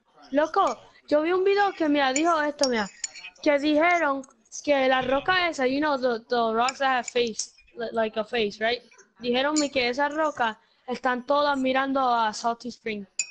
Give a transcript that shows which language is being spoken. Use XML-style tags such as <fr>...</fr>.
<es>Loco, yo vi un video que me dijo esto, mira. Que dijeron que la roca esa,</es> <en>you know, the rocks that have face, like a face, right?</en> <es>Dijeron que esa roca están todas mirando a Salty Spring.</es>